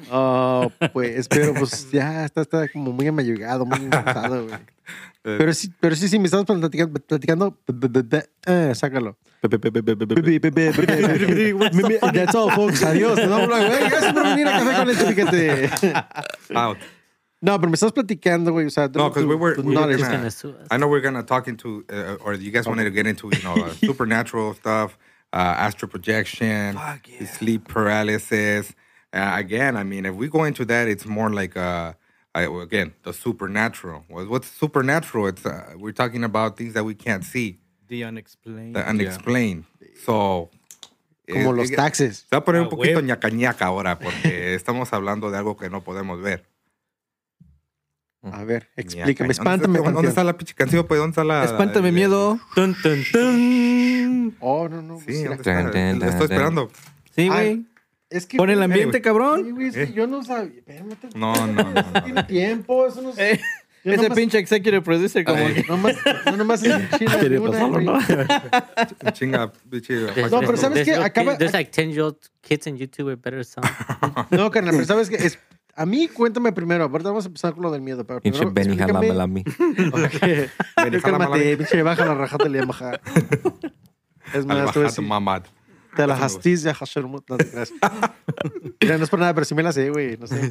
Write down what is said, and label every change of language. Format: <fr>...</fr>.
<es>Oh, pues, pero pues ya está como muy amayugado, muy cansado, güey. Pero sí, me estabas platicando. Sácalo.</es> <en>That's all, folks.</en> <es>Adiós. No, güey. Gracias por venir a café con este piquete.</es> <en>Out.</en> <es>No, pero me estás platicando, güey. O sea,</es> <en>no, because you guys wanted to get into, you know, supernatural stuff. Astral projection, fuck yeah. Sleep paralysis. Again, I mean, if we go into that, it's more like, the supernatural. What's supernatural? It's we're talking about things that we can't see. The unexplained. Yeah. So,</en> <es>como los taxes. Se va a poner un poquito ñacañaca ahora, porque estamos hablando de algo que no podemos ver. A ver, explícame, espántame. ¿Dónde está la pinche canción? Pues, ¿dónde está la? Espántame, miedo. Tun, tun, tun. Oh, no, no. Sí, ¿dónde está? Estoy esperando. Sí, güey. Es que pon el ambiente, cabrón. Sí, güey, es que yo no sabía. Espérate. No. Tiene tiempo, eso no sé. Ese nomás, pinche executive producer, como que. No más. Quiere pasarlo, ¿no? Chinga, chido. No, pero ¿sabes qué? Acaba.</es> <en>There's like 10 year old kids in YouTube with better sound.</en> <es>No, carnal, pero ¿sabes qué? A mí, cuéntame primero. Aparte, vamos a empezar con lo del miedo. Pero pinche Benny, jalámela a mí. Ok. Cálmate, pinche, baja la raja, te le voy a bajar. Es más, tú ves. Te la te la jastis ya, Hashermut. No, gracias. Mira, no es por nada, pero sí me la sé, güey. No sé.</es>